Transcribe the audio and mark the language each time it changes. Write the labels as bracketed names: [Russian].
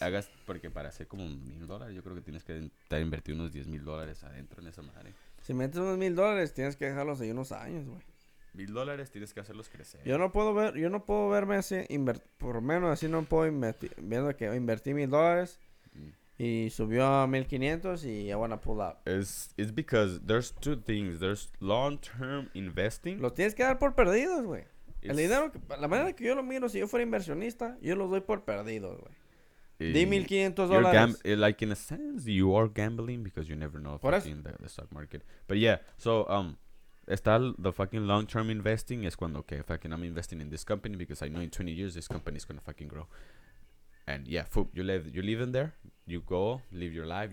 [Spanish] Hagas, porque para hacer como $1,000, yo creo que tienes que estar invertido unos $10,000 adentro en esa madre. Si metes unos $1,000, tienes que dejarlos ahí unos años, güey. $1,000 tienes que hacerlos crecer. Yo no puedo verme así, por lo menos así no puedo invertir, viendo que invertí $1,000 y subió a 1,500 y [English] I wanna pull up. It's because there's two things, there's long-term investing. [Spanish] Los tienes que dar por perdidos, güey. El dinero, la manera que yo lo miro, si yo fuera inversionista, yo los doy por perdidos, güey. Di $1,500. [English] Like in a sense, you are gambling because you never know if you're in the stock market. But yeah, so, [Spanish] está [English] the fucking long-term investing. [Spanish] Es cuando, [English] okay, fucking I'm investing in this company because I know in 20 years this company is gonna fucking grow. And yeah, you live in there. You go, live your life.